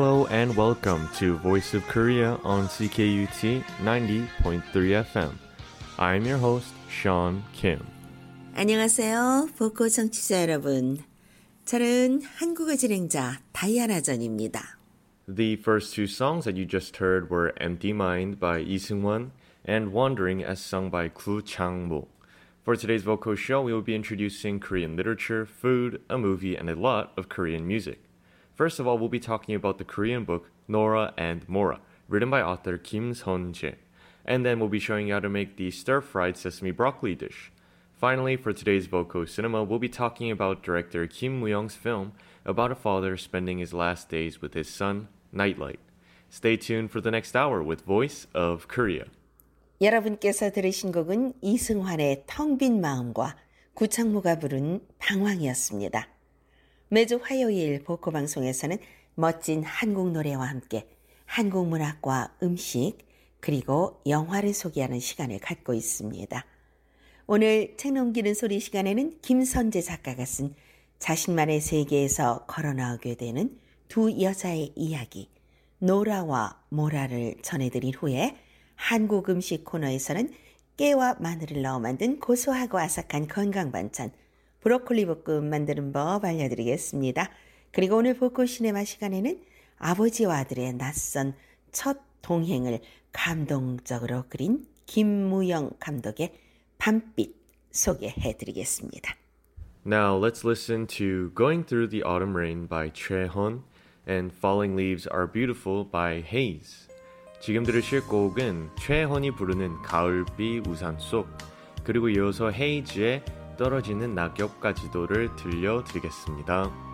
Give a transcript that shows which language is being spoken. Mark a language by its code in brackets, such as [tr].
[en] and welcome to Voice of Korea on CKUT 90.3 FM. I'm your host, Sean Kim. [ko] 안녕하세요, 보코 청취자 여러분. 저는 한국어 진행자 다이아나 전입니다. [en] The first two songs that you just heard were Empty Mind by Lee Seung-won and Wandering as sung by Gu Chang-bo. For today's vocal show, we will be introducing Korean literature, food, a movie, and a lot of Korean music. First of all, we'll be talking about the Korean book Nora and Mora, written by author Kim Seon-jae. And then we'll be showing you how to make the stir-fried sesame broccoli dish. Finally, for today's vocal cinema, we'll be talking about director Kim Woo-young's film about a father spending his last days with his son, Nightlight. Stay tuned for the next hour with Voice of Korea. [ko] 여러분께서 들으신 곡은 이승환의 텅 빈 마음과 구창모가 부른 방황이었습니다. 매주 화요일 보코 방송에서는 멋진 한국 노래와 함께 한국 문학과 음식 그리고 영화를 소개하는 시간을 갖고 있습니다. 오늘 책 넘기는 소리 시간에는 김선재 작가가 쓴 자신만의 세계에서 걸어나오게 되는 두 여자의 이야기 노라와 모라를 전해드린 후에 한국 음식 코너에서는 깨와 마늘을 넣어 만든 고소하고 아삭한 건강 반찬, 브로콜리 볶음 만드는 법 알려드리겠습니다. 그리고 오늘 복고 시네마 시간에는 아버지와 아들의 낯선 첫 동행을 감동적으로 그린 김무영 감독의 밤빛 소개해드리겠습니다. [en] Now let's listen to Going Through the Autumn Rain by Choi Hon and Falling Leaves Are Beautiful by Hayes. [ko] 지금 들으실 곡은 최헌이 부르는 가을비 우산 속 그리고 이어서 헤이즈의 떨어지는 낙엽까지도를 들려드리겠습니다.